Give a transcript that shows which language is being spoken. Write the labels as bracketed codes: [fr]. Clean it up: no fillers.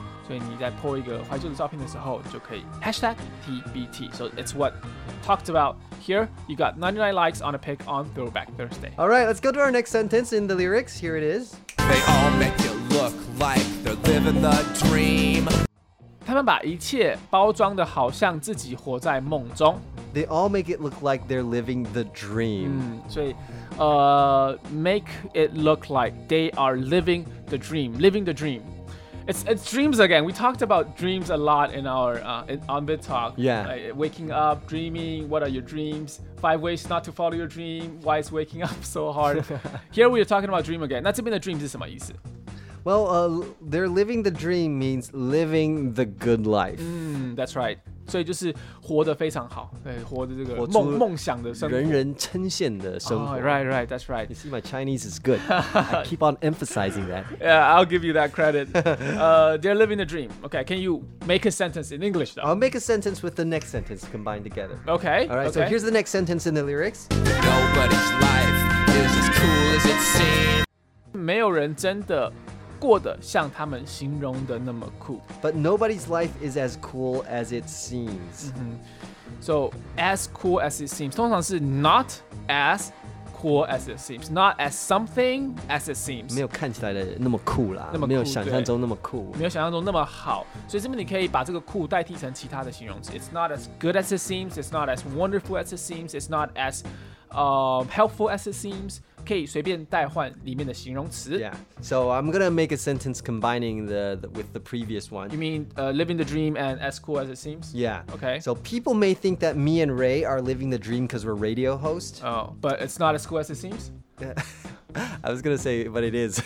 [zh] 所以你在 po 一个怀旧的照片的时候就可以 hashtag TBT. [en] So it's what talked about here. You got 99 likes on a pic on Throwback Thursday. All right, let's go to our next sentence in the lyrics. Here it is. They all make it look like they're living the dream. [zh] 他们把一切包装得好像自己活在梦中。 [en] They all make it look like they're living the dream. [zh] 所以 [en] make it look like they are living the dream. Living the dream. It's dreams again. We talked about dreams a lot in our on BitTalk. Yeah. Waking up, dreaming. What are your dreams? 5 ways not to follow your dream. Why is waking up so hard? Here we are talking about dream again. [zh] 那这边的 dream 是什么意思？ [en] Well, they're living the dream means living the good life. That's right. [zh] 所以就是活得非常好，对，活的这个梦想的生活，人人称羡的生活。 [en] Oh, right, right, that's right. You see, my Chinese is good. I keep on emphasizing that. Yeah, I'll give you that credit. They're living the dream. Okay, can you make a sentence in English, though? I'll make a sentence with the next sentence combined together. Okay. All right, okay. So here's the next sentence in the lyrics. Nobody's life is as cool as it seems. [zh] 没有人真的过得像他们形容的那么酷。 [en] But nobody's life is as cool as it seems. Mm-hmm. So, as cool as it seems. [zh] 通常是 [en] not as cool as it seems. Not as something as it seems. [zh] 没有看起来的那么酷啦。那么酷，没有想象中那么酷。没有想象中那么好。所以这边你可以把这个酷代替成其他的形容词。 [en] It's not as good as it seems. It's not as wonderful as it seems. It's not as helpful as it seems. [zh] 可以随便代换里面的形容词。 [en] Yeah, so I'm gonna make a sentence combining with the previous one. You mean living the dream and as cool as it seems? Yeah. Okay. So people may think that me and Ray are living the dream because we're radio hosts. Oh, but it's not as cool as it seems? I was gonna say, but it is.